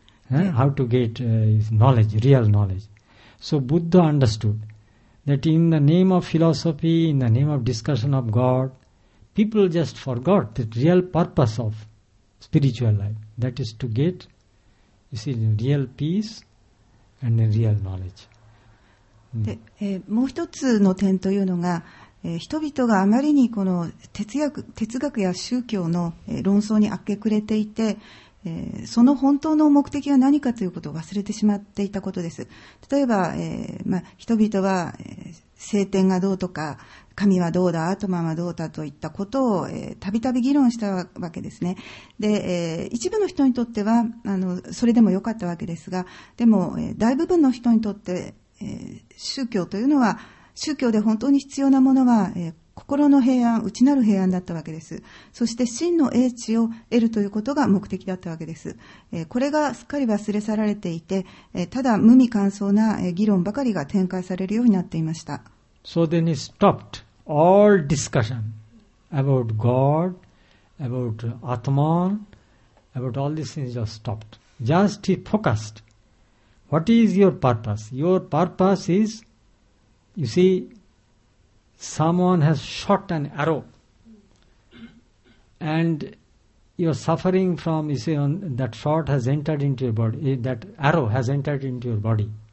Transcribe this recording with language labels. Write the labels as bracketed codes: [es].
[en] How to get knowledge, real knowledge. So Buddha understood that in the name of philosophy, in the name of discussion of God, people just forgot the real purpose of spiritual life. That is to get, you see, real peace and a real knowledge. [ja] で、もう一つの点というのが、人々があまりにこの哲学や宗教の論争に明け暮れていて、その本当の目的は何かということを忘れてしまっていたことです。例えば、人々は、聖典がどうとか神はどうだ、アトマはどうだといったことをたびたび議論したわけですね。で、一部の人にとってはそれでもよかったわけですが、でも、大部分の人にとって、宗教というのは、宗教で本当に必要なものは、心の平安、内なる平安だったわけです。そして真の英知を得るということが目的だったわけです。これがすっかり忘れ去られていて、ただ無味乾燥な議論ばかりが展開されるようになっていました。 [en] So then he stopped all discussion about God, about Atman, about all these things just stopped. Just he focused. What is your purpose? Your purpose is, you see,someone has shot an arrow and you are suffering from, you see, that shot has entered into your body, that arrow has entered into your body.